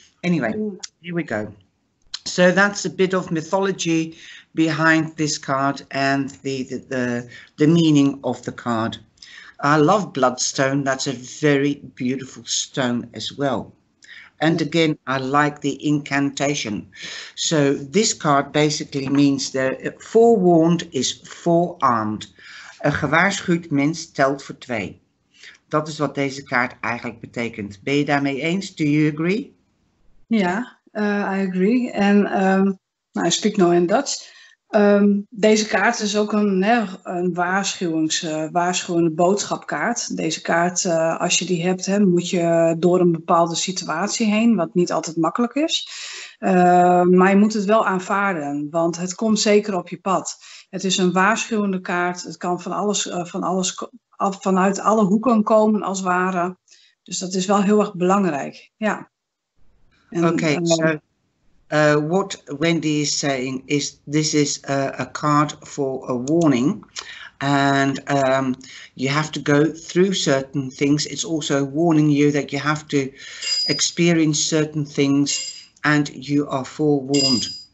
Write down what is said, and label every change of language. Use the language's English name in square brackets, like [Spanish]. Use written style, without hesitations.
[English] Anyway, here we go. So that's a bit of mythology behind this card and the meaning of the card. I love bloodstone. That's a very beautiful stone as well. And again, I like the incantation. So this card basically means that forewarned is forearmed. [Dutch] Een gewaarschuwd mens telt voor twee. Dat is wat deze kaart eigenlijk betekent. Ben je daarmee eens? [English] Do you agree? Ja, I agree. En I speak no in Dutch. [Dutch] Deze kaart is ook een waarschuwende boodschapkaart. Deze kaart, als je die hebt, moet je door een bepaalde situatie heen, wat niet altijd makkelijk is. Maar je moet het wel aanvaarden, want het komt zeker op je pad. Het is een waarschuwende kaart. Het kan vanuit alle hoeken komen als het ware. Dus dat is wel heel erg belangrijk, ja. [English] Okay, so what Wendy is saying is this is a card for a warning, and you have to go through certain things. It's also warning you that you have to experience certain things, and you are forewarned.